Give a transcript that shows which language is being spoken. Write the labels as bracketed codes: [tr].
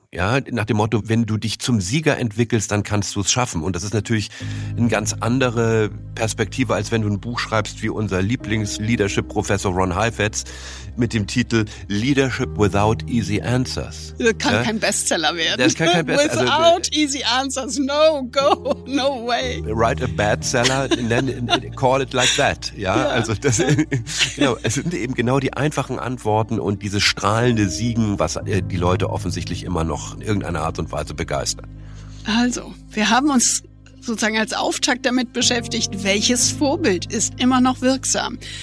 [de] Ja, nach dem Motto, wenn du dich zum Sieger entwickelst, dann kannst du es schaffen. Und das ist natürlich eine ganz andere Perspektive, als wenn du ein Buch schreibst wie unser Lieblings-Leadership-Professor Ron Heifetz mit dem Titel Leadership Without Easy Answers. Das kann kein Bestseller werden. Das kann kein Bestseller. [en] Without easy answers, no, go, no way. Write a Bestseller and then call it like that. [de] Ja, also das, genau, es sind eben genau die einfachen Antworten und dieses strahlende Siegen, was die Leute offensichtlich immer noch in irgendeiner Art und Weise begeistern. Also, wir haben uns sozusagen als Auftakt damit beschäftigt, welches Vorbild ist immer noch wirksam.